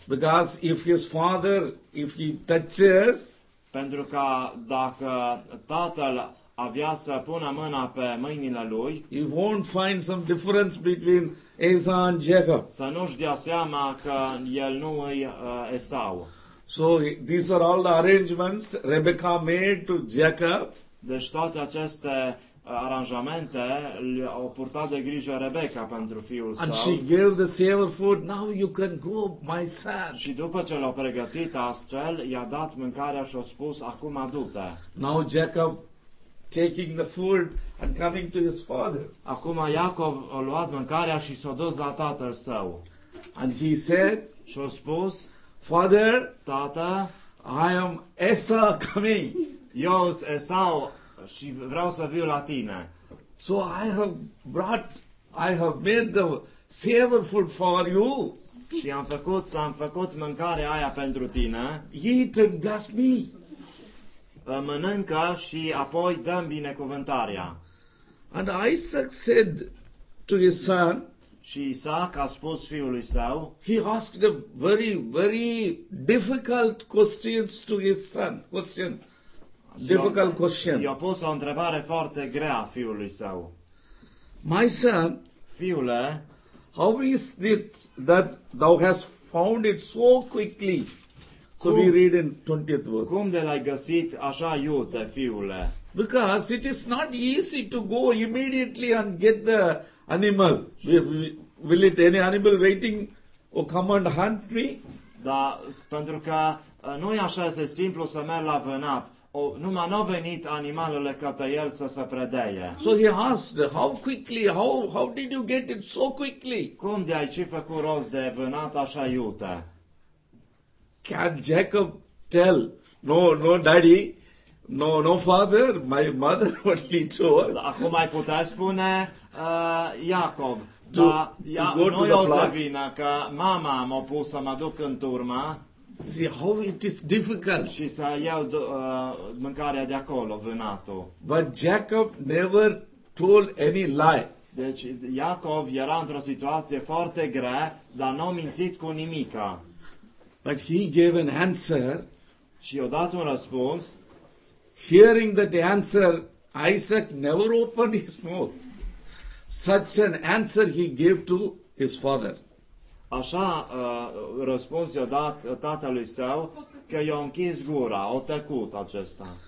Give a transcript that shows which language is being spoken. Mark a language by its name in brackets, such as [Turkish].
[English] Because if his father, if he touches, [Romanian] pentru că dacă tatăl avea să pună mâna pe mâinile lui, [English] he won't find some difference between Esau and Jacob. [Romanian] Să nu-și dea seama că el nu e Esau. [English] So these are all the arrangements Rebecca made to Jacob. [Romanian] Deci toate aceste aranjamente le-au purtat de grijă Rebecca pentru fiul său. [English] And she gave the savor food. Now you can go, my son. [Romanian] Și după ce l-a pregătit astfel, i-a dat mâncarea și a spus, acum du-te. [English] Now Jacob taking the food and coming to his father. [Romanian] Acum Iacov a luat mâncarea și s-a dus la tatăl său. [English] And he said, [Romanian] și-a spus, [English] father, [Romanian] tată, [English] I am Esau coming. [Romanian] Eu-s Esau și vreau să viu la tine. [English] So I have made the savor food for you. [Romanian] Și am făcut mâncarea aia pentru tine. [English] Eat and bless me. [Romanian] Mănâncă și apoi dăm binecuvântarea. [English] And Isaac said to his son, [Romanian] și Isaac a spus fiului său, [English] he asked a very, very difficult questions to his son. Question. Difficult question. [Romanian] I-a pus o întrebare foarte grea fiului său. [English] My son, [Romanian] fiule, [English] how is it that thou hast found it so quickly? So we read in 20th verse. [Romanian] Cum de l-ai găsit așa iute, fiule? [English] Because it is not easy to go immediately and get the animal. Will it any animal waiting or come and hunt me? [Romanian] Da, pentru că nu e așa de simplu să merg la vânat. Numai n-au venit animalele către el să se predeie. [English] So he asked, how quickly, how did you get it so quickly? [Romanian] Cum de ai ce făcut rost de vânat așa iute? [English] Can Jacob tell? No, daddy. No, father. My mother only told. [Romanian] Acum ai putea spune, Iacob. [English] To go to the flock. [Romanian] Vină, că mama m-a pus să mă duc în turma. [English] See how it is difficult. [Romanian] Și să iau mâncarea de acolo, vânatul. [English] But Jacob never told any lie. [Romanian] Deci Iacob era într-o situație foarte grea, dar n-a mințit cu nimica. [English] But he gave an answer. [Romanian] Și i-a dat un răspuns. [English] Hearing that answer, Isaac never opened his mouth. Such an answer he gave to his father. [Romanian] Așa răspuns i-a dat tatălui său, că i-a închis gura, a tăcut acesta.